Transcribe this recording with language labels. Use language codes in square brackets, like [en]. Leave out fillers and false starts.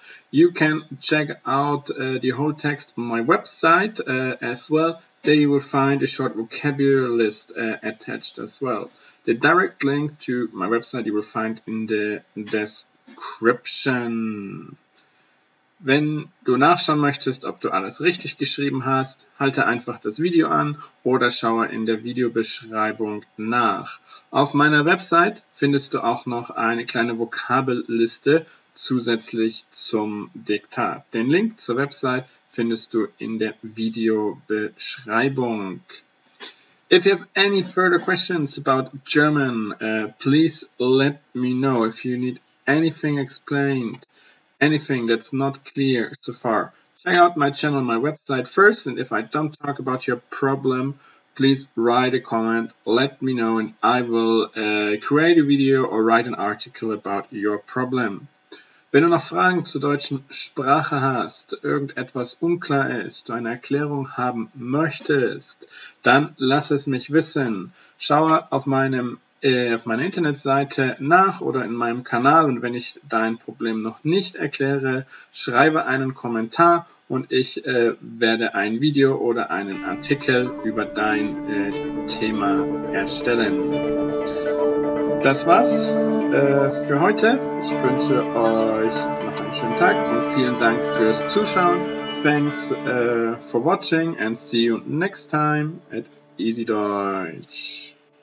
[en] You can check out the whole text on my website as well. There you will find a short vocabulary list attached as well. The direct link to my website you will find in the description. [de] Wenn du nachschauen möchtest, ob du alles richtig geschrieben hast, halte einfach das Video an oder schaue in der Videobeschreibung nach. Auf meiner Website findest du auch noch eine kleine Vokabelliste zusätzlich zum Diktat. Den Link zur Website findest du in der Videobeschreibung. [en] If you have any further questions about German, please let me know. If you need anything explained, anything that's not clear so far, check out my channel, my website first, and if I don't talk about your problem, please write a comment, let me know, and I will create a video or write an article about your problem. [de] Wenn du noch Fragen zur deutschen Sprache hast, irgendetwas unklar ist, du eine Erklärung haben möchtest, dann lass es mich wissen. Schaue auf meiner Internetseite nach oder in meinem Kanal, und wenn ich dein Problem noch nicht erkläre, schreibe einen Kommentar und ich werde ein Video oder einen Artikel über dein Thema erstellen. Das war's für heute. Ich wünsche euch noch einen schönen Tag und vielen Dank fürs Zuschauen. [en] Thanks for watching and see you next time at Easy Deutsch.